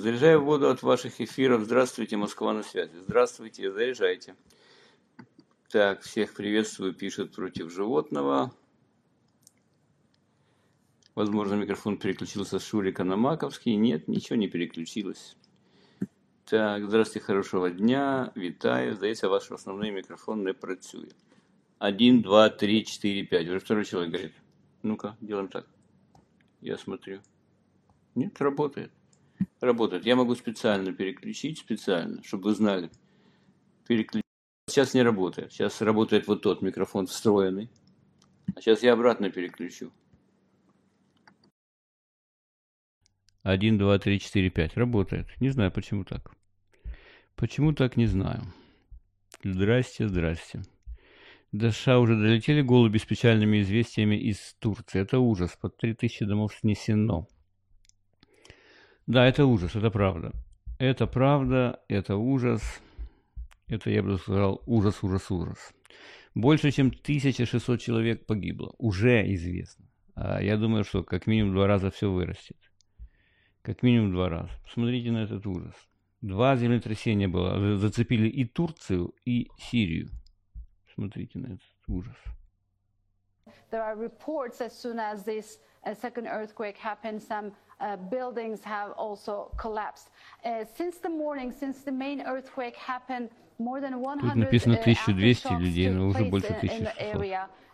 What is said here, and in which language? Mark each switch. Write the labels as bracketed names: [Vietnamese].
[Russian] Заряжаю воду от ваших эфиров. Здравствуйте, Москва на связи. Здравствуйте, заряжайте. Так, всех приветствую, пишет против животного. Возможно, микрофон переключился с Шурика на Маковский. Нет, ничего не переключилось. Так, здравствуйте, хорошего дня. [Ukrainian] Витаю. Здається, ваш основной микрофон не працює. [Russian] 1, 2, 3, 4, 5. Уже второй человек говорит. Ну-ка, делаем так. Я смотрю. Нет, работает. Работает. Я могу специально переключить, специально, чтобы вы знали. Переключить. Сейчас не работает. Сейчас работает вот тот микрофон встроенный. А сейчас я обратно переключу. 1, 2, 3, 4, 5. Работает. Не знаю, почему так. Почему так, не знаю. Здрасте, здрасте. До США уже долетели голуби с печальными известиями из Турции. Это ужас. Под 3000 домов снесено. Да, это ужас, это правда. Это правда, это ужас. Это, я бы сказал, ужас, ужас, ужас. Больше, чем 1600 человек погибло. Уже известно. А я думаю, что как минимум два раза все вырастет. Как минимум два раза. Посмотрите на этот ужас. Два землетрясения было. Зацепили и Турцию, и Сирию. Смотрите на этот ужас. [English] There are reports as soon as this second earthquake happened, some buildings have also collapsed. Since the morning, since the main earthquake happened, more than 100 [Russian] Тут написано 1200 людей, но уже больше 1600.